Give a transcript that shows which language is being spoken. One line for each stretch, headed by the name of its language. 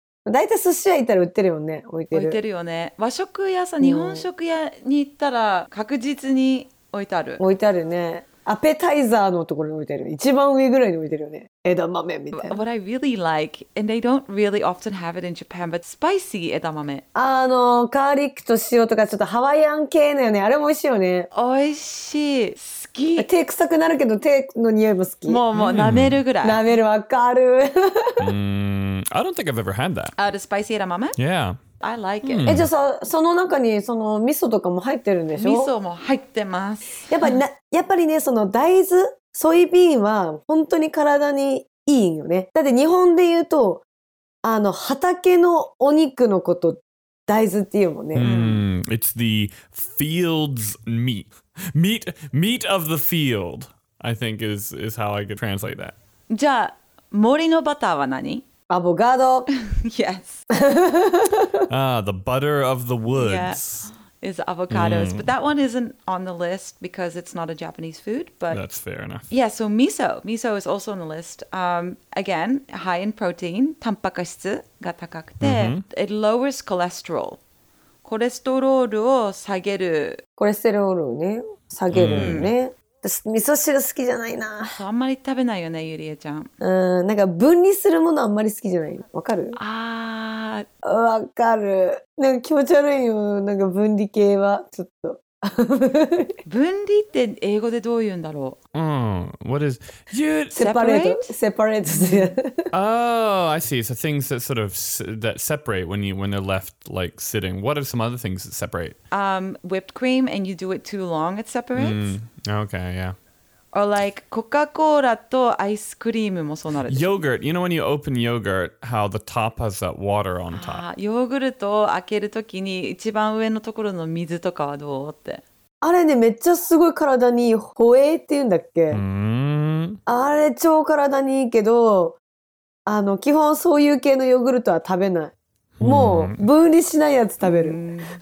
Japanese: だいたい寿司屋行ったら売ってるよね。置いてる。置いてるよね。和食屋さ、日本食屋に行ったら確実に置いてある。置いてあるね。アペタイザーのところに置いてる。一番上ぐらいに置いてるよね。枝豆みたいな。
English: What I really like, and they don't really often have it in Japan, but spicy 枝豆。
Japanese: あのガーリックと塩とかちょっとハワイアン系のよね。あれも美味しいよね。美味しい。好き。手臭くなるけど手の匂いも好き。もう舐めるぐらい。舐めるわかる。
English: I don't think I've ever had that. The spicy edamame? Yeah. I like it.
Japanese: え、じゃあさ、その中にその味噌とかも入ってるんでしょ？味噌も入ってます。やっぱりね、その大豆、ソイビーンは本当に体にいいよね。だって日本で言うと、あの畑のお肉のこと大豆っていうもんね。
English: It's the field's meat. Meat of the field, I think is how I could translate that.
Japanese: じゃあ、森のバターは何？アボガド
English: Yes. Ah, the butter of the woods. Yeah, is avocados. But that one isn't on the list because it's not a Japanese food. But that's fair enough. Yeah, so miso. Miso is also on the list. Again, high in protein.
Japanese: タンパク質が高くて
English: It lowers cholesterol.
Japanese: コレステロールを下げる。コレステロールね、下げるね。味噌汁好きじゃないな。あんまり食べないよね、ゆりえちゃん。なんか分離するものあんまり好きじゃない。わかる？ああ、わかる。なんか気持ち悪いよ。なんか分離系はちょっと。分離って英語でどう言うんだろう。
English: What is you separate? Separate. Oh, I see. So things that sort of that separate when they're left like sitting. What are some other things that separate? Whipped cream, and you do it too long, it separates. Okay, yeah. Or like
Japanese: Coca-Cola とアイスクリームもそうなる。
English: Yogurt, you know when you open yogurt, how the top has that water on top.
Japanese: ヨーグルトを開けるときに一番上のところの水とかはどうって。あれね、めっちゃすごい体にいい。ホエーって言うんだっけ、あれ超体にいいけど、あの基本そういう系のヨーグルトは食べない。もう分離しないやつ食べる。